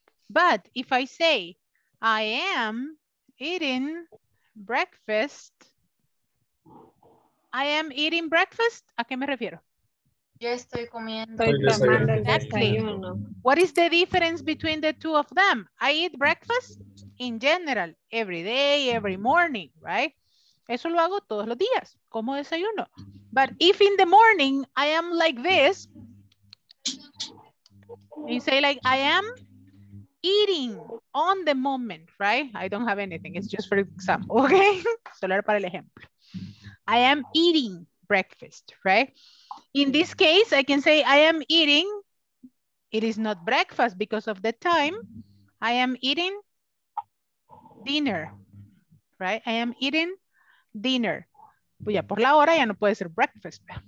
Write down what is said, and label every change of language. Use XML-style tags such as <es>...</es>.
<en>But if I say, I am eating breakfast, I am eating breakfast,</en> <es>¿a qué me refiero? Yo estoy comiendo. Estoy desayunando.</es> <en>Exactly. What is the difference between the two of them? I eat breakfast in general, every day, every morning, right?</en> <es>Eso lo hago todos los días, como desayuno.</es> <en>But if in the morning I am like this, you say like I am eating on the moment, right? I don't have anything, it's just for example, okay?</en> <es>Solo para el ejemplo.</es> <en>I am eating breakfast, right? In this case, I can say I am eating, it is not breakfast because of the time, I am eating dinner, right? I am eating dinner.</en> <es>Pues ya por la hora ya no puede ser breakfast.</es>